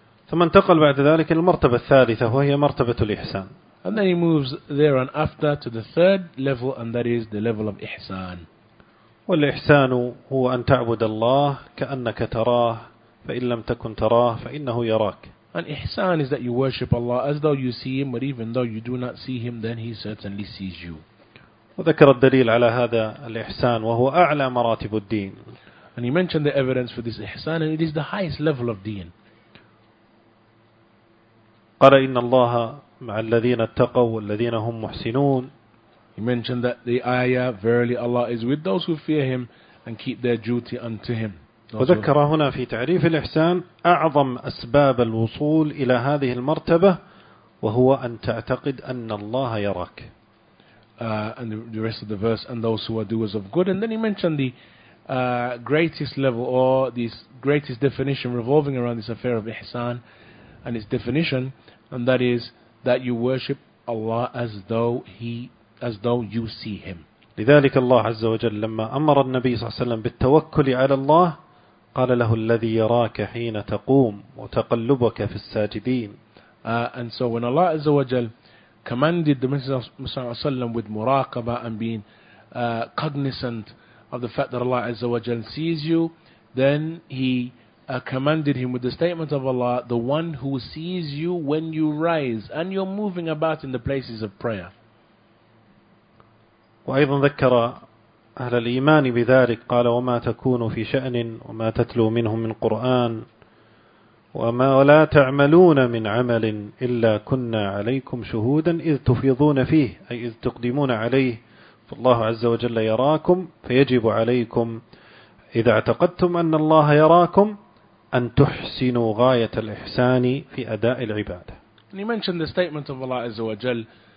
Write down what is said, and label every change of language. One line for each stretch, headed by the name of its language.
Arabic: ثم انتقل بعد ذلك المرتبة الثالثة وهي مرتبة الإحسان.
English: And then he moves there and after to the third level, and that is the level of إحسان.
Arabic: والإحسان هو أن تعبد الله كأنك تراه فإن لم تكن تراه فإنه يراك.
English: And إحسان is that you worship Allah as though you see Him, but even though you do not see Him, then He certainly sees you.
Arabic: وذكر الدليل على هذا الإحسان وهو أعلى مراتب الدين.
English: And he mentioned the evidence for this إحسان, and it is the highest level of deen.
Arabic: قال إن الله مع الذين اتقوا والذين هم محسنون.
English: He mentioned that the ayah, verily Allah is with those who fear Him and keep their duty unto Him.
Arabic: وذكر هنا في تعريف الإحسان أعظم أسباب الوصول إلى هذه المرتبة وهو أن تعتقد أن الله يراك.
English: And the rest of the verse, and those who are doers of good. And then he mentioned the greatest level, or this greatest definition revolving around this affair of إحسان and its definition, and that is that you worship Allah as though you see Him.
Arabic: لذلك الله عز وجل لما أمر النبي صلى الله عليه وسلم بالتوكل على الله قال له الذي يراك حين تقوم وتقلبك في الساجدين.
English: And so when Allah Azza wa Jal commanded the Messenger of Allah Sallallahu Alaihi Wasallam with muraqaba and being cognizant of the fact that Allah Azza wa Jal sees you, then He commanded him with the statement of Allah, the one who sees you when you rise and you're moving about in the places of prayer.
Arabic: وأيضا ذكر أهل الإيمان بذلك قال وما تكون في شأن وما تتلو منه من قرآن وما ولا تعملون من عمل إلا كنا عليكم شهودا إذ تفيضون فيه أي إذ تقدمون عليه فالله عز وجل يراكم فيجب عليكم إذا اعتقدتم أن الله يراكم أن تحسنوا غاية الإحسان في أداء العبادة.
English: And he mentioned the statement of Allah عز وجل